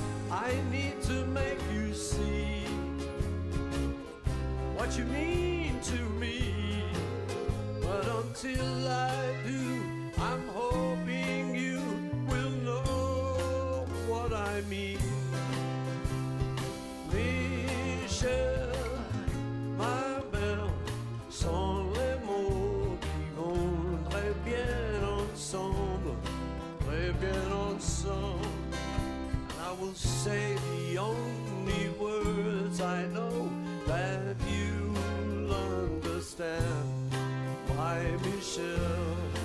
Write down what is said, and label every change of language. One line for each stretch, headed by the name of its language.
English: I need to make you see what you mean to me. But until I do, I'm hoping you will know what I mean.
French: Michelle, ma belle, sans les mots qui vont très bien ensemble, très bien ensemble.
English: I will say the only words I know that you'll understand, my Michelle.